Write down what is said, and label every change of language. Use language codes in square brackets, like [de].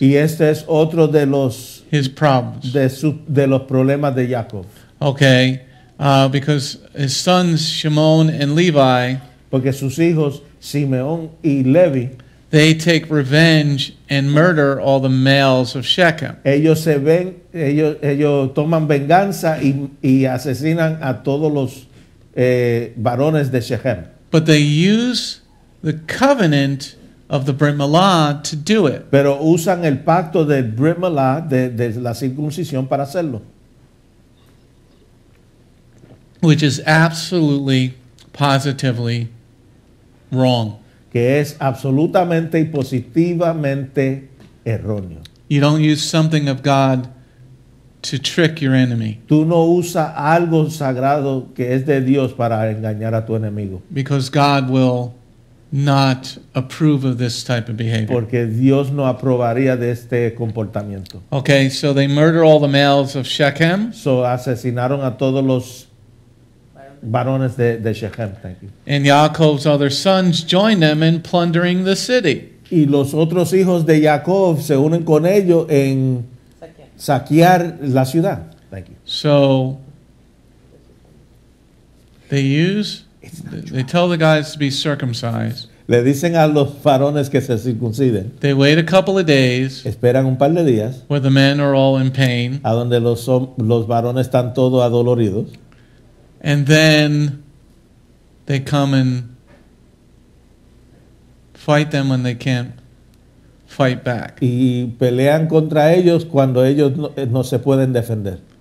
[es] Y este es otro de los [en] his problems. [es] De los problemas de Jacob. [en] Okay, because his sons Shimon and Levi. [es] Porque sus hijos Simeón y Levi. [en] They take revenge and murder all the males of Shechem. [es] Ellos se ven, ellos toman venganza y asesinan a todos los varones de Shechem. [en] But they use the covenant of the Brit Milah to do it. [es] Pero usan el pacto del Brit Milah de la circuncisión para hacerlo. [en] Which is absolutely, positively wrong. [es] Que es absolutamente y positivamente erróneo. [en] You don't use something of God to trick your enemy. [es] Tú no usa algo sagrado que es de Dios para engañar a tu enemigo. [en] Because God will not approve of this type of behavior. [es] Porque Dios no aprobaría de este comportamiento. [en] Okay, so they murder all the males of Shechem. [es] So asesinaron a todos los barones de Shechem, [en] thank you. And Yaakov's other sons join them in plundering the city. [es] Y los otros hijos de Jacob se unen con ellos en saquear la ciudad. [en] Thank you. So they use, they tell the guys to be circumcised. [es] Le dicen a los varones que se circunciden. [en] They wait a couple of days. [es] Esperan un par de días. [en] Where the men are all in pain. [es] A donde los varones están todos adoloridos. [en] And then they come and fight them when they can't fight back. [es] Y pelean contra ellos cuando ellos no se pueden defender.